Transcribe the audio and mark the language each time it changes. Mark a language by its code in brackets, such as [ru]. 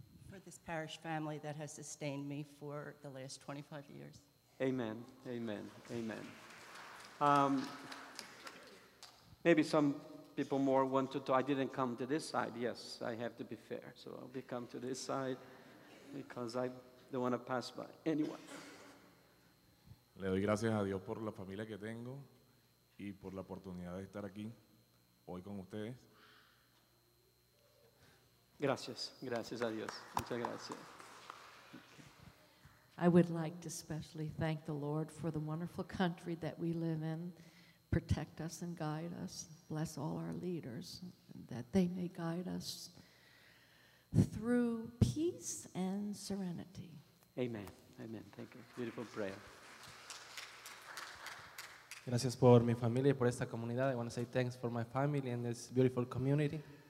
[en] For this parish family that has sustained me for the last 25 years. Amen. Amen. Amen. Maybe some people more want to talk. I didn't come to this side. Yes, I have to be fair. So I'll be come to this side because I don't want to pass by. Anyone. [es] Le doy gracias a Dios por la familia que tengo y por la oportunidad de estar aquí hoy con ustedes. Gracias. Gracias a Dios. Muchas gracias. [en] I would like to especially thank the Lord for the wonderful country that we live in. Protect us and guide us, bless all our leaders, that they may guide us through peace and serenity. Amen. Amen. Thank you. Beautiful prayer. [es] Gracias por mi familia y por esta comunidad. [en] I want to say thanks for my family and this beautiful community.